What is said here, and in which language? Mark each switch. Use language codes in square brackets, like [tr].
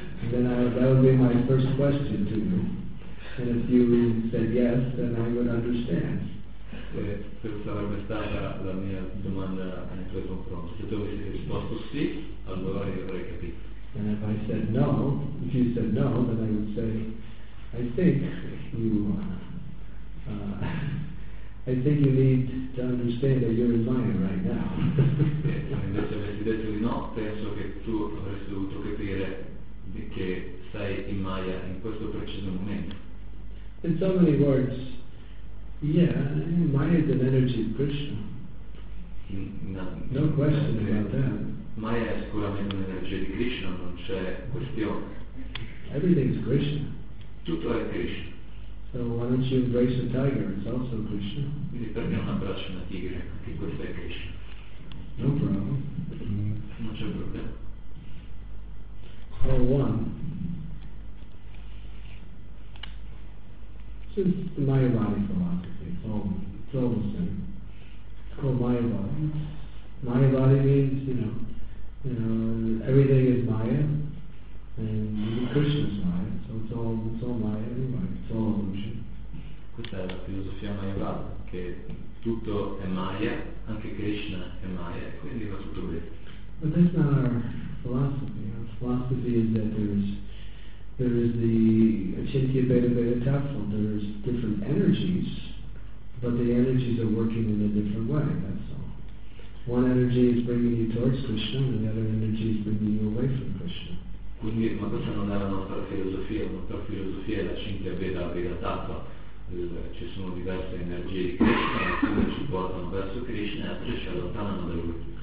[en] Then that would be my first question to you. And if you said yes, then I would understand. [it] Questa sarebbe stata la mia domanda nei tuoi confronti. Se tu avessi risposto sì, allora io avrei capito. [en] And if I said no, if you said no, then I would say, I think you need to understand that you're in mine right now. [it] Se invece avessi detto di no, penso che tu avresti dovuto capire che sei in Maya in questo preciso momento. [en] In so many words, yeah, Maya is an energy of Krishna. No question about that. [it] Maya è sicuramente un'energia di Krishna, non c'è questione. [en] Everything is Krishna. [it] Tutto è Krishna. [en] So why don't you embrace a tiger? It's also Krishna. [it] Quindi perché non abbracci una tigre? Anche questo è Krishna. [en] No problem. [it] Non c'è problema. [en] Call one. It's the Mayavadi philosophy. It's all the same. It's called Mayavadi. Mayavadi means, everything is Maya, and Krishna is Maya, so it's all Maya, everybody. It's all illusion. [it] Questa è la filosofia Mayavadi, che tutto è Maya, anche Krishna è Maya, quindi va tutto bene. [en] But that's not our philosophy. Our philosophy is that there is the Achintya Beta Beta Tafel. There's different energies, but the energies are working in a different way, that's all. One energy is bringing you towards Krishna, and the other energy is bringing you away from Krishna. [it] Quindi, ma questa non è la nostra filosofia. La nostra filosofia è la Achintya Beta Beta Tafel. Ci sono diverse energie di Krishna, alcune ci portano verso Krishna, e altre ci allontanano da lui.